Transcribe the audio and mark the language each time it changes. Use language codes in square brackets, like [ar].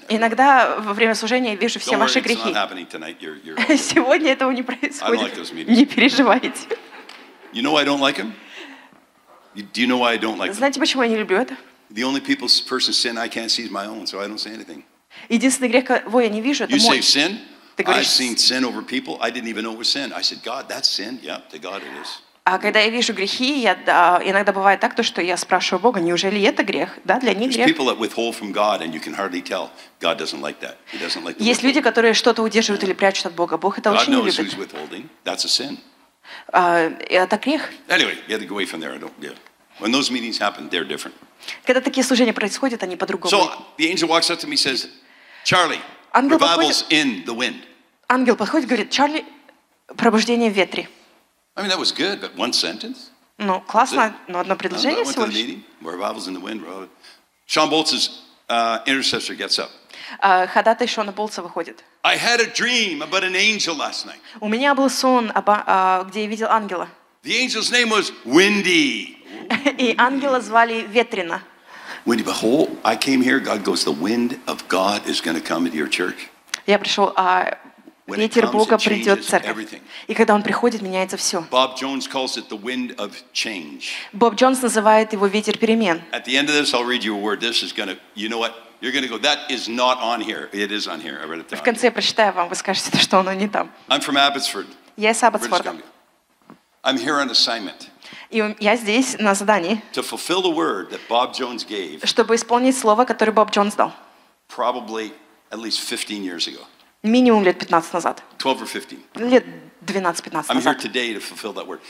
[ru] Иногда во время служения я вижу все ваши грехи. [en] It's not happening tonight. You're [ru] сегодня этого не происходит. [en] I don't like those meetings. [ru] Не переживайте. [en] You know why I don't like them? Do you know why I don't like them? [ru] Знаете, почему я не люблю это? [en] The only people's person's sin I can't see is my own, so I don't say anything. [ru] Единственный грех, кого я не вижу, это [en] you [ru] мой. [en] You say sin? [ru] Ты говоришь, [en] I've seen sin over people. I didn't even know it was sin. I said, God, that's sin. Yeah, to God it is. [ru] А когда я вижу грехи, я, иногда бывает так, то, что я спрашиваю Бога, неужели это грех? Да, для них грех. [en] There's people that withhold from God, and you can hardly tell. God doesn't like that. He doesn't like [ru] Есть люди, которые что-то удерживают или прячут от Бога. Бог это [en] God [ru] очень не любит. [en] God knows who's withholding. That's a sin. [ru] Это грех. [en] Anyway, you have to go away from there. I don't, yeah. When those meetings happen, they're different. [ru] Когда такие служения происходят, они по-другому. [en] So the angel walks up to me and says, Charlie, ангел revival's подходит, in the wind. [ru] Ангел подходит и говорит, Чарли, пробуждение в ветре. [en] I mean, that was good, but one sentence? [ru] Ну, классно, но одно предложение всего лишь. [en] I went to the meeting, revival's in the wind. Revival. Sean Boltz's intercessor gets up. [ru] Ходатай Шона Болтса выходит. [en] I had a dream about an angel last night. [ru] У меня был сон, где я видел ангела. [en] The angel's name was Windy. [ru] И ангела звали Ветрено. [en] Windy, behold, I came here. God goes, the wind of God is going to come into your church. [ru] Я пришел, ветер Бога придет в церковь. И когда он приходит, меняется все. [en] Bob Jones calls it the wind of change. [ru] Bob Jones называет его ветер перемен. [en] At the end of this, I'll read you a word. This is going to, you know what? You're going to go, that is not on here. It is on here. I read it down. [ru] В конце прочитаю вам, вы скажете, что оно не там. [en] I'm from Abbotsford. [ru] Я из Абботсфорда. [en] I'm here on assignment. [ru] И я здесь на задании. [en] To fulfill the word that Bob Jones gave. [ru] Чтобы исполнить слово, которое Bob Jones дал. [en] Probably at least 15 years ago. [ru] Минимум лет 15 назад. [en] 12 or 15. [ru] Лет 12-15 назад. [en] I'm here today to fulfill that word.